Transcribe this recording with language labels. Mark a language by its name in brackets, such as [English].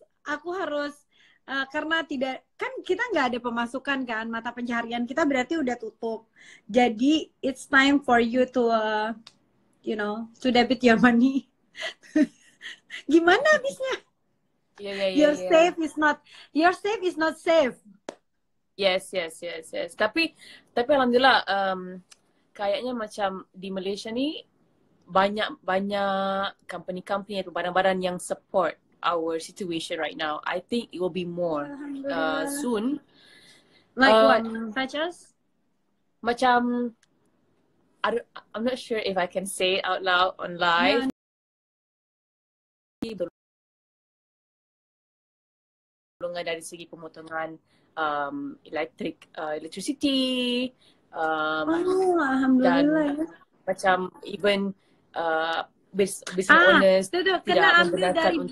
[Indonesian] Aku harus karena tidak kan kita nggak ada pemasukan kan, mata pencaharian kita berarti udah tutup. [English] Jadi it's time for you to you know, to debit your money. [Indonesian] Gimana abisnya? [English] Your safe is not safe. [Malay] Yes. Tapi alhamdulillah, kayaknya macam di Malaysia ni banyak company atau barang-barang yang [English] support our situation right now. I think it will be more soon. Like what? Such as? [Malay] Macam [English] I'm not sure if I can say it out loud on live. No. [Malay] Pelonggaran dari segi pemotongan electricity alhamdulillah dan, ya. Macam [English] even business owners [Malay] tuh, kena ambil dari untuk...